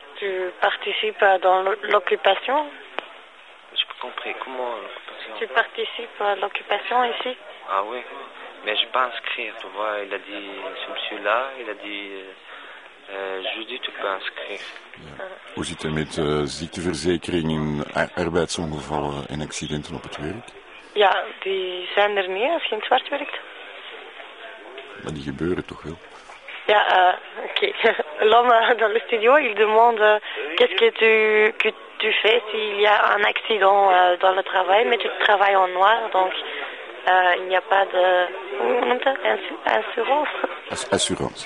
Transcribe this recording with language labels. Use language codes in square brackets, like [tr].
[fr] Tu participes dans l'occupation? J'ai pas compris, comment l'occupation? Tu participes à l'occupation ici? Ah oui, mais je peux inscrire, tu vois, il a dit, ce monsieur-là, il a dit, jeudi tu peux inscrire. [nl] Ja. Hoe zit het met ziekteverzekering en arbeidsongevallen en accidenten op het werk? Ja, die zijn er niet als je in het zwart werkt. Maar die gebeuren toch wel? Ja, oké. [fr] L'homme dans le studio, il demande qu'est-ce que tu fais s'il y a un accident dans le travail, mais tu travailles en noir, donc il n'y a pas de... Assurance.